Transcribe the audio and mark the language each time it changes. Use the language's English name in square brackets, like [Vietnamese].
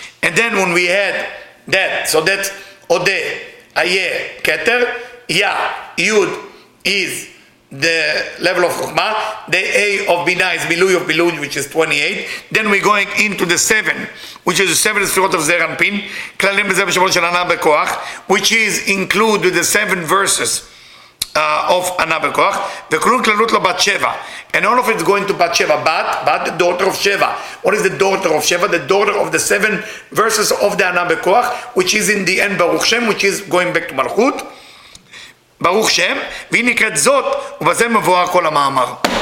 [English] And then when we had that, so that's Ode, Ayeh, Keter, Ya, Yud is the level of Chokmah. The A of Bina is Milui of Bilui, which is 28. Then we're going into the 7, which is the 7 sfirot of zeher anpin. [Hebrew] Klalim b'zeh b'shemot shel Anah B'Koach, [English] which is included with the 7 verses. of Anna Bekoach, [Hebrew] וכלול כללות לבת שבע. [English] And all of it's going to בת שבע, but the daughter of שבע. What is the daughter of שבע? The daughter of the seven verses of the Anna Bekoach, which is in the end Baruch Shem, which is going back to מלכות. [Hebrew] ברוך שם, והיא נקראת זאת, ובזה מבואר כל המאמר.